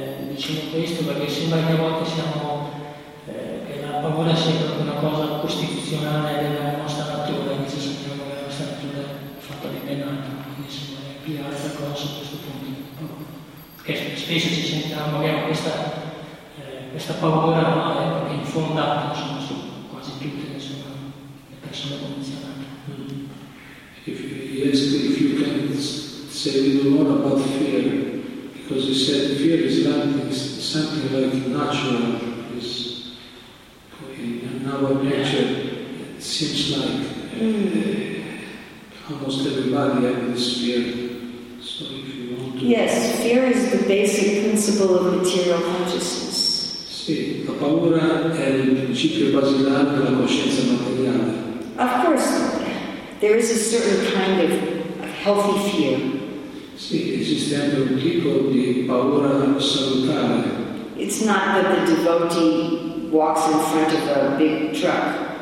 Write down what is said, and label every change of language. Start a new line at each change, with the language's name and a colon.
Italian: Diciamo questo perché sembra che a volte che la paura sia proprio una cosa costituzionale della nostra natura, invece sappiamo che la nostra natura è fatta di ben altro, quindi sembra più altra cosa su questo punto. Che spesso ci sentiamo che questa paura è infondata, insomma, su quasi tutte le persone condizionate.
English: If you can say a little more about fear, because you said fear is something like natural, is in our nature, it seems like almost everybody has this fear. So if you want to. Yes, fear is the basic principle of material consciousness.
Italian: Sì, la paura è il principio basilare della coscienza materiale.
English: Of course. There is a certain kind of healthy fear.
Italian: Sì, esiste anche un tipo di paura salutare.
English: It's not that the devotee walks in front of a big truck.